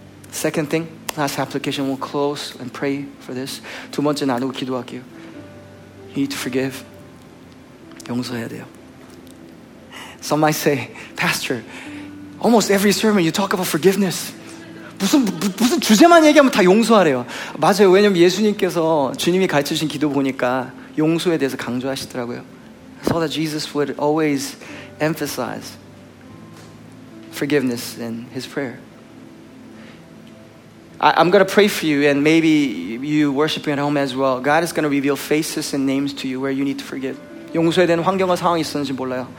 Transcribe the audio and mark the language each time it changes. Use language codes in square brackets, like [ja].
[en] Second thing, last application, we'll close and pray for this. [ko] 두 번째 나누고 기도할게요. [en] You need to forgive. [ko] 용서해야 돼요. [en] Some might say, Pastor, almost every sermon you talk about forgiveness. [ko] 무슨 주제만 얘기하면 다 용서하래요. 맞아요. 왜냐면 예수님께서 주님이 가르쳐주신 기도 보니까 용서에 대해서 강조하시더라고요. [en] I saw that Jesus would always emphasize forgiveness in his prayer. I'm going to pray for you and maybe you worshiping at home as well. God is going to reveal faces and names to you where you need to forgive. [ko] 용서에 대한 환경과 상황이 있었는지 몰라요.